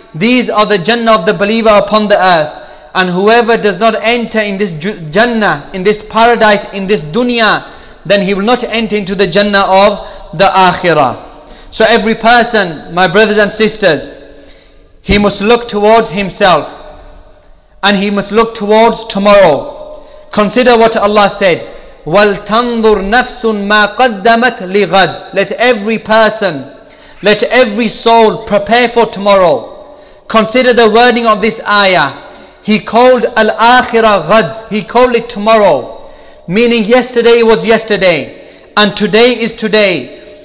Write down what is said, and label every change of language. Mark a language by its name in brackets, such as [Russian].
[English] These are the Jannah of the believer upon the earth. And whoever does not enter in this Jannah, in this paradise, in this dunya, then he will not enter into the Jannah of the Akhirah. So every person, my brothers and sisters, he must look towards himself and he must look towards tomorrow. Consider what Allah said, [Arabic] وَلْتَنْظُرْ نَفْسٌ مَا قَدَّمَتْ لِغَدْ. [English] Let every person, let every soul prepare for tomorrow. Consider the wording of this ayah. He called al-akhirah ghad. He called it tomorrow. Meaning yesterday was yesterday and today is today.